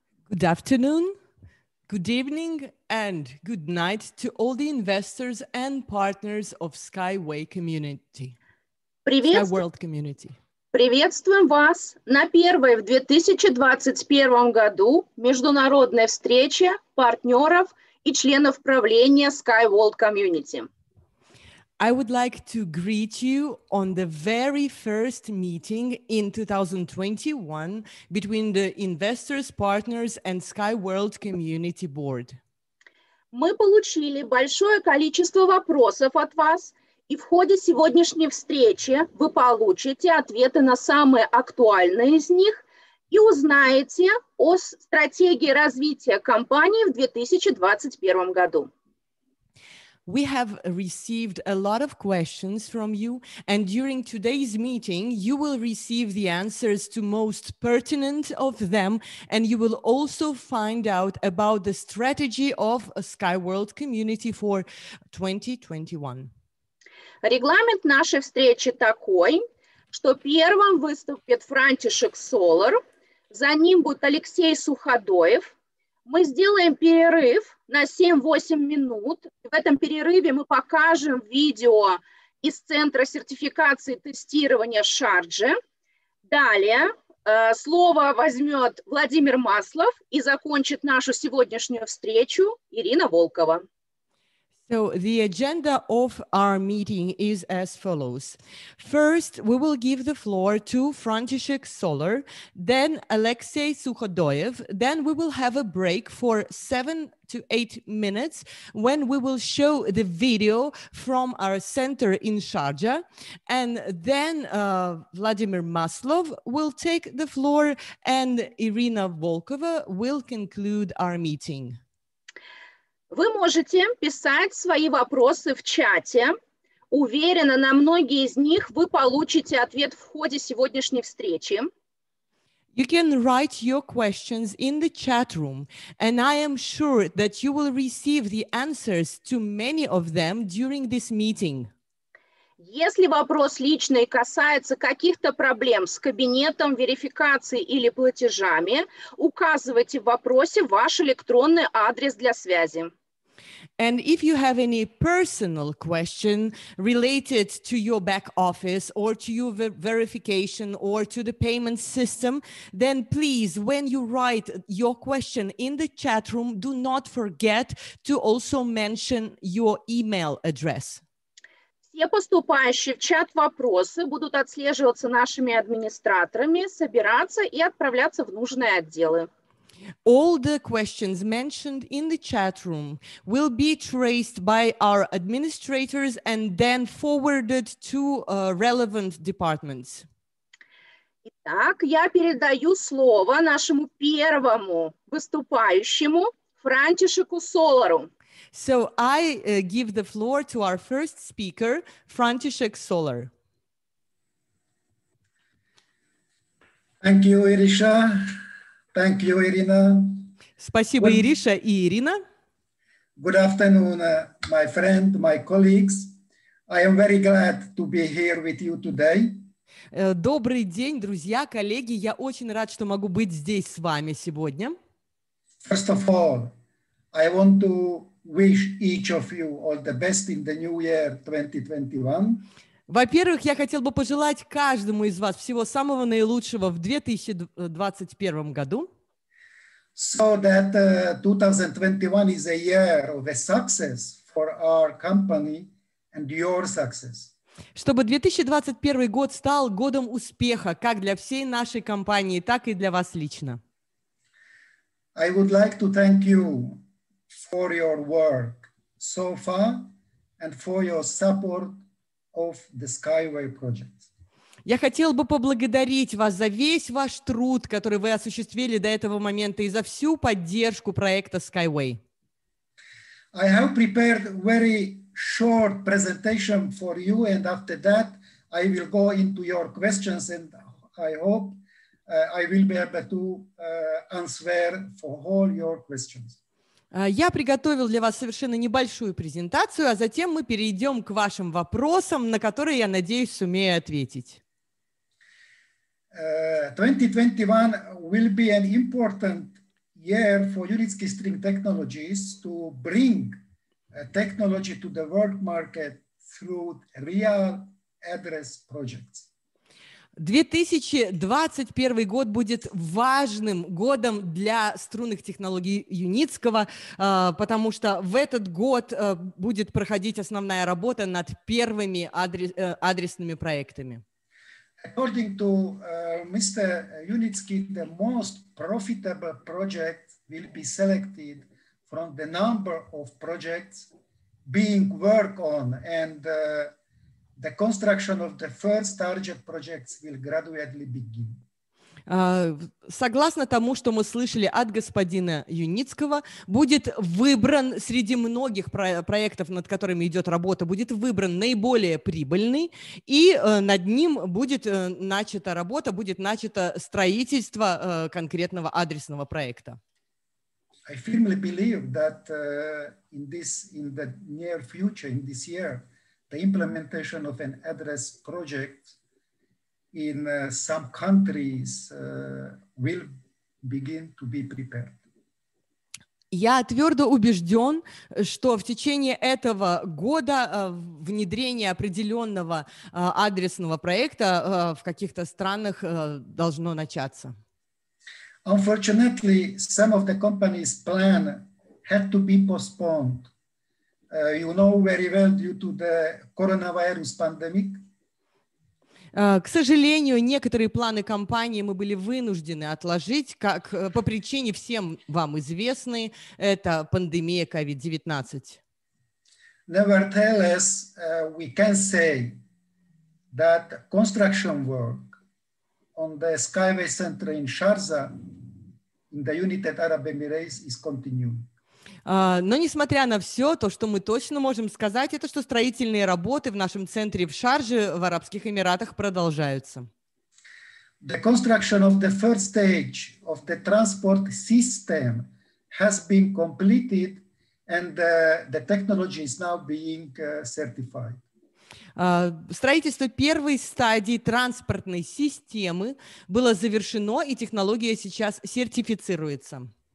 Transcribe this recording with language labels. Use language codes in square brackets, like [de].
[en] Good afternoon, good evening and good night to all the investors and partners of Skyway Community. Sky World Community. [ru] Приветствуем вас на первой в 2021 году международной встрече партнеров и членов правления SkyWorld Community. [en] I would like to greet you on the very first meeting in 2021 between the investors, partners and SkyWorld Community Board. [ru] Мы получили большое количество вопросов от вас, и в ходе сегодняшней встречи вы получите ответы на самые актуальные из них и узнаете о стратегии развития компании в 2021 году. [en] We have received a lot of questions from you, and during today's meeting, you will receive the answers to most pertinent of them, and you will also find out about the strategy of a SkyWorld community for 2021. [ru] Регламент нашей встречи такой, что первым выступит Франтишек Солар, за ним будет Алексей Суходоев. Мы сделаем перерыв на 7-8 минут. В этом перерыве мы покажем видео из Центра сертификации тестирования Шарджи. Далее слово возьмет Владимир Маслов и закончит нашу сегодняшнюю встречу Ирина Волкова. [en] So the agenda of our meeting is as follows. First, we will give the floor to František Solar, then Alexei Suchodoyev, then we will have a break for 7 to 8 minutes when we will show the video from our center in Sharjah, and then Vladimir Maslov will take the floor and Irina Volkova will conclude our meeting. [ru] Вы можете писать свои вопросы в чате. Уверена, на многие из них вы получите ответ в ходе сегодняшней встречи. [en] You can write your questions in the chat room, and I am sure that you will receive the answers to many of them during this meeting. [ru] Если вопрос личный касается каких-то проблем с кабинетом, верификацией или платежами, указывайте в вопросе ваш электронный адрес для связи. [en] And if you have any personal question related to your back office or to your verification or to the payment system, then please, when you write your question in the chat room, do not forget to also mention your email address. [ru] Все поступающие в чат вопросы будут отслеживаться нашими администраторами, собираться и отправляться в нужные отделы. [en] All the questions mentioned in the chat room will be traced by our administrators and then forwarded to relevant departments. [ru] Итак, я передаю слово нашему первому выступающему Франтишеку Солару. [en] So I give the floor to our first speaker, František Solar. Thank you, Irisha. Thank you, Irina. [ru] Спасибо, Ириша и Ирина. [en] Good afternoon, my friend, my colleagues. I am very glad to be here with you today. [ru] Добрый день, друзья, коллеги. Я очень рад, что могу быть здесь с вами сегодня. [en] First of all, I want to wish each of you all the best in the new year 2021. [ru] Во-первых, я хотел бы пожелать каждому из вас всего самого наилучшего в 2021 году. [en] So that 2021 is a year of a success for our company and your success. [ru] Чтобы 2021 год стал годом успеха как для всей нашей компании, так и для вас лично. [en] I would like to thank you for your work so far and for your support of the Skyway project. [ru] Я хотел бы поблагодарить вас за весь ваш труд, который вы осуществили до этого момента, и за всю поддержку проекта Skyway. [en] I have prepared a very short presentation for you, and after that I will go into your questions, and I hope I will be able to answer for all your questions. [ru] Я приготовил для вас совершенно небольшую презентацию, а затем мы перейдем к вашим вопросам, на которые, я надеюсь, сумею ответить. [en] 2021 will be an important year for Unitsky String Technologies to bring technology to the world market through real address projects. [ru] 2021 год будет важным годом для струнных технологий Юницкого, потому что в этот год будет проходить основная работа над первыми адресными проектами. [en] According to Mr. Unitsky, the most profitable project will be selected from the number of projects being worked on and the construction of the first target projects will gradually begin. [ru] Согласно тому, что мы слышали от господина Юницкого, будет выбран среди многих проектов, над которыми идет работа, будет выбран наиболее прибыльный, и над ним будет начата работа, будет начато строительство конкретного адресного проекта. [en] I firmly believe that in the near future, in this year, the implementation of an address project in some countries will begin to be prepared. [ru] Я твердо убежден, что в течение этого года внедрение определенного адресного проекта в каких-то странах должно начаться. [en] Unfortunately, some of the company's plan had to be postponed. You know very well due to the coronavirus pandemic. [ru] К сожалению, некоторые планы компании мы были вынуждены отложить, как по причине всем вам известной, это пандемия COVID-19. [en] Nevertheless, we can say that construction work on the Skyway Center in Sharjah in the United Arab Emirates is continuing. [ru] Но несмотря на все, то, что мы точно можем сказать, это что строительные работы в нашем центре в Шарже в Арабских Эмиратах продолжаются. [en] The construction of the first stage of the transport system has been completed and the technology is now being certified. [ru] Строительство первой стадии транспортной системы было завершено, и технология сейчас сертифицируется.